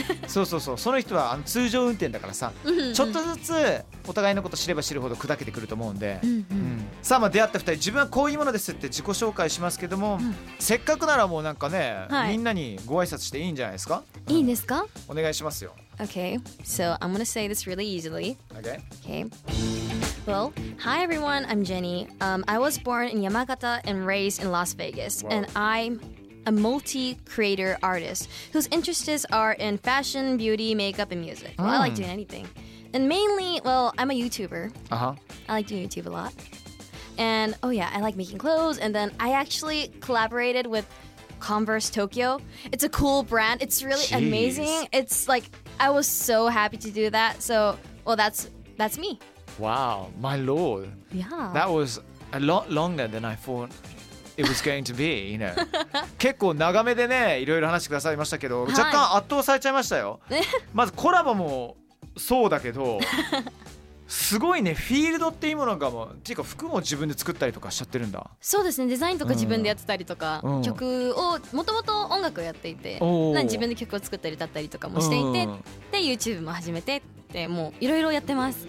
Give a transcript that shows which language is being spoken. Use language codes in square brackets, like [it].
[ja] そうそうそう、その人はあの通常運転だからさ、うんうん、ちょっとずつお互いのこと知れば知るほど砕けてくると思うんで、うんうんうん、さあ、まあ出会った2人、自分はこういうものですって自己紹介しますけども、うん、せっかくならもうなんかね、はい、みんなにご挨拶していいんじゃないですか、うん、いいんですか？お願いしますよ。 [en] Okay, so I'm gonna say this really easily. Okay. Okay. Well, hi everyone, I'm Jenny. I was born in Yamagata and raised in Las Vegas. Wow. And I'm a multi-creator artist whose interests are in fashion, beauty, makeup, and music. Well, I like doing anything. And mainly, well, I'm a YouTuber. Uh-huh. I like doing YouTube a lot. And, oh yeah, I like making clothes. And then I actually collaborated with Converse Tokyo. It's a cool brand. It's really Jeez. Amazing. It's like, I was so happy to do that. So, well, that's me. Wow, my lord. Yeah. That was a lot longer than I thought it was going to be, you know. [ja] 結構長めでね、いろいろ話してくださいましたけど、はい、若干圧倒されちゃいましたよ。まずコラボもそうだけど、すごいね、フィールドっていうものがもっていうか服も自分で作ったりとかしちゃってるんだ。そうですね、デザインとか自分でやってたりとか、うん、曲をもともと音楽をやっていて、なん自分で曲を作ったり歌ったりとかもしていて、うん、で YouTube も始めてって、もういろいろやってます。